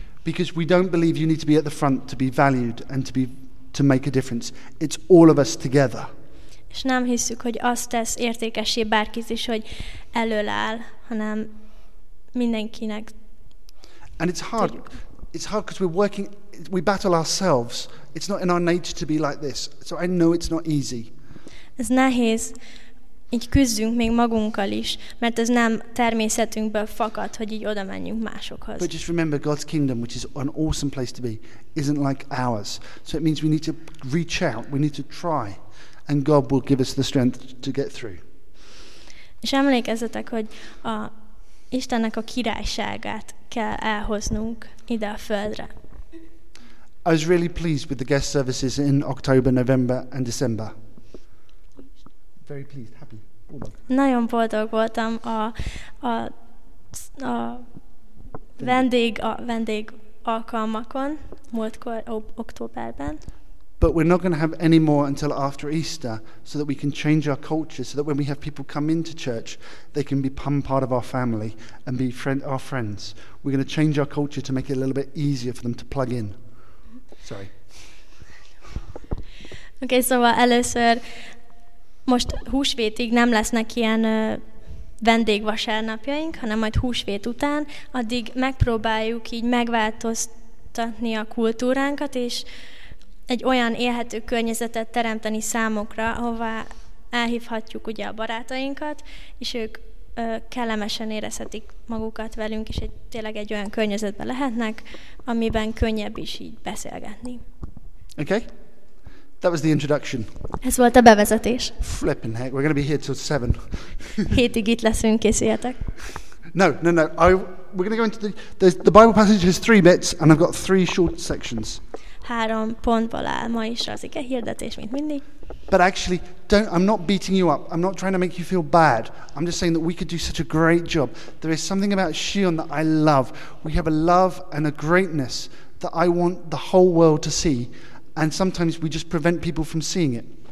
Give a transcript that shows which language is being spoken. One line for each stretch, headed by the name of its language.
English: Because we don't believe you need to be at the front to be valued and to make a difference. It's all of us together.
Hungarian: És nem hiszük, hogy azt tesz értékessé bárkit is, hogy elől áll, hanem mindenkinek.
English: And it's hard.
Hungarian: Tudjuk.
English: It's hard because we battle ourselves. It's not in our nature to be like this. So I know it's not easy.
Hungarian: Ez nehéz. Így küzdünk még magunkkal is, mert ez nem természetünkből fakad, hogy így oda menjünk másokhoz.
English: But just remember, God's kingdom, which is an awesome place to be, isn't like ours. So it means we need to reach out, we need to try, and God will give us the strength to get through.
Hungarian: És emlékezzetek, hogy a Istennek a királyságát kell elhoznunk ide a földre.
English: I was really pleased with the guest services in October, November and December. Very pleased, happy.
Hungarian: Nagyon boldog voltam a vendég alkalmakon múltkor októberben.
English: But we're not going to have any more until after Easter, so that we can change our culture, so that when we have people come into church, they can become part of our family and be our friends. We're going to change our culture to make it a little bit easier for them to plug in. Sorry.
Hungarian: Okay, szóval először most húsvétig nem lesznek ilyen vendégvasárnapjaink, hanem majd húsvét után, addig megpróbáljuk így megváltoztatni a kultúránkat, és egy olyan élhető környezetet teremteni számokra, ahová elhívhatjuk ugye a barátainkat, és ők kellemesen érezhetik magukat velünk, és tényleg egy olyan környezetben lehetnek, amiben könnyebb is így beszélgetni.
English: Okay. That was the introduction.
Hungarian: Ez volt a bevezetés.
English: Flipping heck, we're going to be here till 7.
Hungarian: Hétig itt leszünk, készüljetek.
English: No. We're going to go into the Bible passage has 3 bits, and I've got 3 short sections.
Hungarian: 3 pontból áll ma is az ige hirdetés, mint mindig.
English: But actually, I'm not beating you up. I'm not trying to make you feel bad. I'm just saying that we could do such a great job. There is something about Sion that I love. We have a love and a greatness that I want the whole world to see. And sometimes we just prevent people from seeing it.